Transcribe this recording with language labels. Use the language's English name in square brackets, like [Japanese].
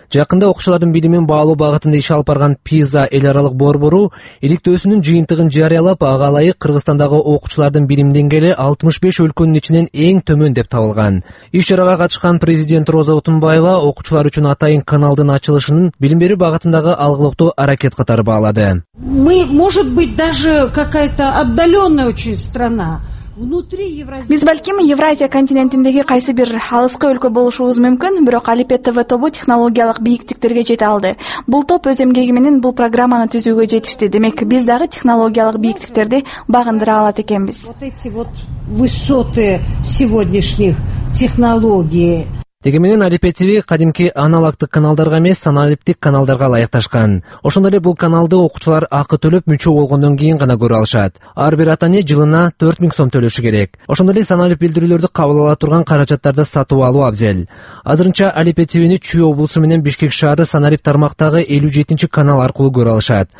[Kyrgyz] Жакында окуучулардын билимин баалоо багытында иш алып барган ПИЗА эл аралык борбору иликтөөсүнүн жыйынтыгын жарыялап, ага ылайык Кыргызстандагы окуучулардын билим деңгээли 65 өлкөнүн ичинен эң төмөн деп табылган. Иш чарага катышкан президент Роза Отунбаева окуучулар үчүн атайын каналдын ачылышынын билим берүү багытындагы алгылыктуу аракет катары баалады. [Russian] Мы, может быть, даже какая-то отдалённая очень страна. [Kyrgyz] Биз балким Евразия континентиндеги кайсы бир алыскы өлкө болушубуз мүмкүн, бирок Алипбе ТВ тобу технологиялык бийиктиктерге жете алды. Бул топ өз эмгеги менен бул программаны түзүүгө жетишти. Демек, биз дагы технологиялык бийиктиктерди багындыра алат экенбиз. [Russian] Вот эти вот высоты сегодняшних технологий. [Kyrgyz] Деги менен Алипбе ТВ кадимки аналогдук каналдарга эмес, аналогдук каналдарга ылайыкташкан. Ошондой эле бул каналды окуучулар акы төлөп мүчө болгондон кийин гана көрө алышат. Ар бир ата-эне жылына 4000 сом төлөшү керек. Ошондой эле саналып билдирүүлөрдү кабыл ала турган каражаттарды сатып алуу абзел. Азырынча Алипбе ТВ'ни Чүй облусу менен Бишкек шаары саналып тармактагы 57-чи канал аркылуу көрө алышат.